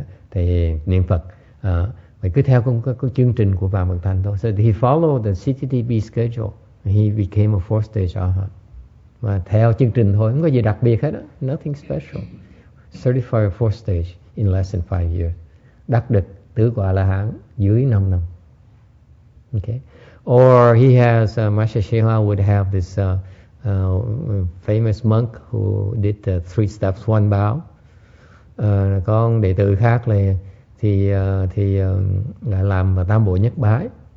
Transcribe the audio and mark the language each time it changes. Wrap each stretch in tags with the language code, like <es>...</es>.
<vi>Thì niệm Phật mà cứ theo cái chương trình của Phạm Bằng Thành thôi.</vi> <en>So he followed the CTTP schedule. He became a fourth stage arahant.</en> <vi>Mà theo chương trình thôi, không có gì đặc biệt hết đó.</vi> <en>Nothing special. Certified fourth stage. In less than 5 years,</en> <vi>đắc được tứ quả la hán dưới 5 năm.</vi> <en>Okay, or he has Master Shila would have this famous monk who did the 3 steps one bow.</en> <vi>Con đệ tử khác là thì làm tam bộ nhất bái.</vi>